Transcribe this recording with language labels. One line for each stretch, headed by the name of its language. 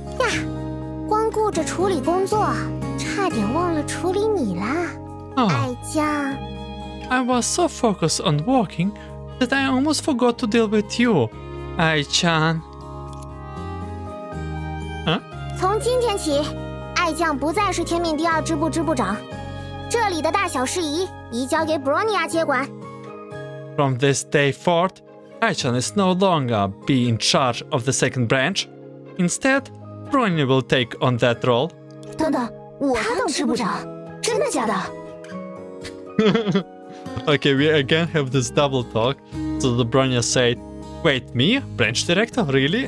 Chinese: 呀，光顾着处理工作，差点忘了处理你了，爱将。
English: I was so focused on working that I almost forgot to deal with you. Ai-chan. Huh?
Chinese: 从今天起，爱将不再是天命第二支部支部长， 这里的大小事宜移交给Bronya接管。
English: From this day forth, Ai-chan is no longer be in charge of the second branch. Instead, Bronya will take on that role.
Chinese: 等等，我当支部长？真的假的？
English: Okay, we again have this double talk. So the Bronya said, wait, me? Branch director? Really?